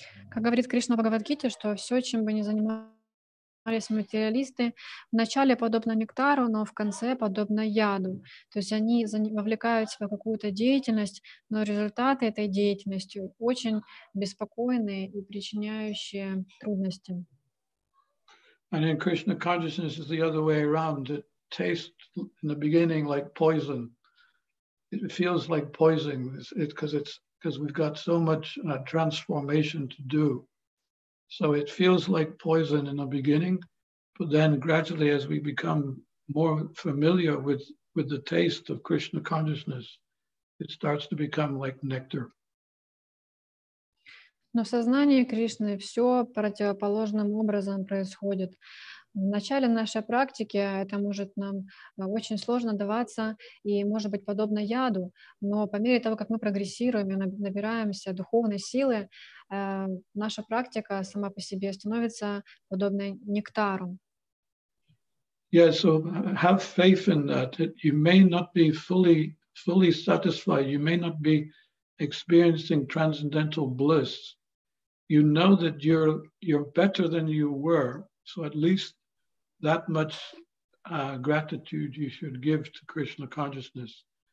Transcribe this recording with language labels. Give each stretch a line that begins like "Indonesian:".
Russian: Как говорит Кришна в Бхагавад-гите, что все, чем бы ни занимались материалисты, вначале подобно нектару, но в конце подобно яду. То есть они вовлекаются в какую-то деятельность, но результаты этой деятельности очень беспокойные и причиняющие трудности.
English: And in Krishna consciousness is the other way around. It tastes in the beginning like poison. It feels like poison because we've got so much transformation to do. So it feels like poison in the beginning, but then gradually as we become more familiar with the taste of Krishna consciousness, it starts to become like nectar.
Russian: Но в сознании Кришны все противоположным образом происходит. В начале нашей практики это может нам очень сложно даваться и может быть подобно яду, но по мере того, как мы прогрессируем и набираемся духовной силы, наша практика сама по себе становится подобной нектару.
English: Yeah, so have faith in that. You may not be fully satisfied. You may not be experiencing transcendental bliss. You know that you're better than you were, so at least that much gratitude you should give to Krishna consciousness.